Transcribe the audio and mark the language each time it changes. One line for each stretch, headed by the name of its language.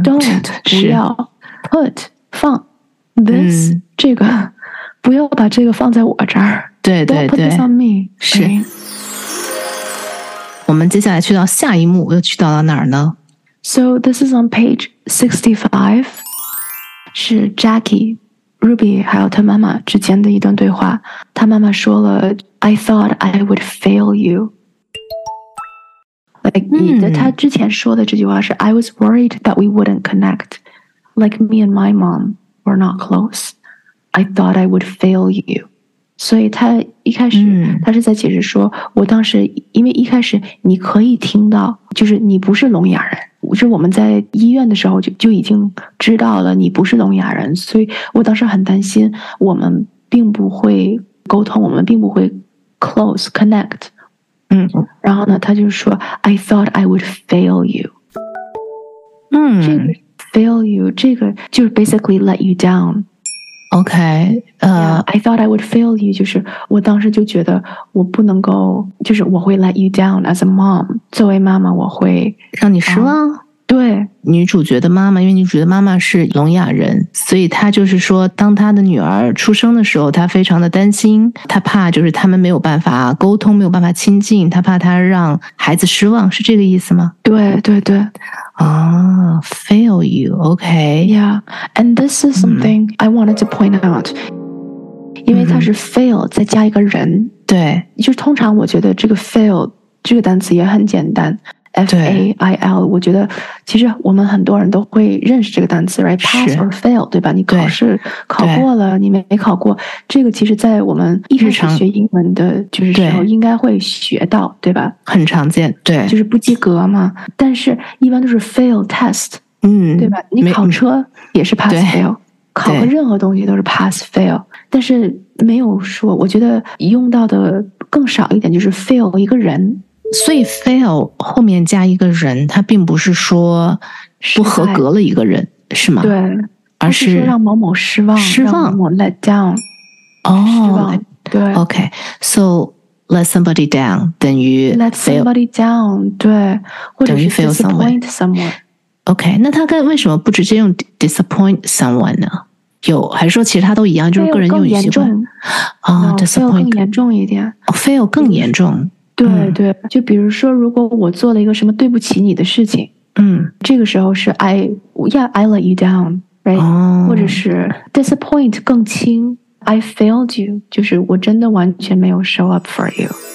Chinese: don't, 不要 put, 放 this,这个不要把这个放在我这儿。对对对
English: don't put this on me,
Chinese: 是、
English: okay?
Chinese: 我们接下来去到下一幕又去到了哪儿呢？
English: So this is on page 65,
Chinese: 是 Jackie、Ruby 还有她妈妈之间的一段对话。她妈妈说了
English: I thought I would fail you.
Chinese: 她之前说的这句话是
English: I was worried that we wouldn't connect. Like me and my mom were not close. I thought I would fail you.
Chinese: 所以她一开始、她是在解释说我当时因为一开始你可以听到就是你不是聋哑人，就是我们在医院的时候 就已经知道了你不是聋哑人，所以我当时很担心我们并不会沟通，我们并不会 close, connect. 然后呢他就说
English: I thought I would fail you、
Chinese: 这个 fail you 这个就是
English: basically let you down OK、 I thought I would fail you
Chinese: 就是我当时就觉得我不能够就是我会
English: let you down as a mom
Chinese: 作为妈妈我会让你失望、对女主角的妈妈因为女主角的妈妈是聋哑人所以她就是说当她的女儿出生的时候她非常的担心她怕就是他们没有办法沟通没有办法亲近她怕她让孩子失望是这个意思吗对对对
English: 啊、fail you OK Yeah and this is something、I wanted to point out
Chinese: 因为它是
English: fail、
Chinese: 再加一个人对就是通常我觉得这个 fail 这个单词也很简单F-A-I-L 我觉得其实我们很多人都会认识这个单词 right? Pass or fail 对吧你考试考过了你没考过这个其实在我们一开始学英文的就是时候应该会学到 对吧很常见对就是不及格嘛但是一般都是 fail test、对吧你考车也是 pass fail 考个任何东西都是 pass fail 但是没有说我觉得用到的更少一点就是 fail 一个人所以 fail 后面加一个人它并不是说不合格了一个人 是吗对而是让某某失望失望让某某 let down 哦、对
English: OK so let somebody down 等于 let somebody down 对或者是 fail someone
Chinese: OK 那他跟为什么不直接用 disappoint someone 呢有还是说其实他都一样就是个人用习惯啊、disappoint 更严重一点、 fail 更严重对对就比如说如果我做了一个什么对不起你的事情嗯这个时候是
English: I let you down, right?、
Chinese: 或者是 disappoint 更轻
English: I failed you,
Chinese: 就是我真的完全没有 show up for you。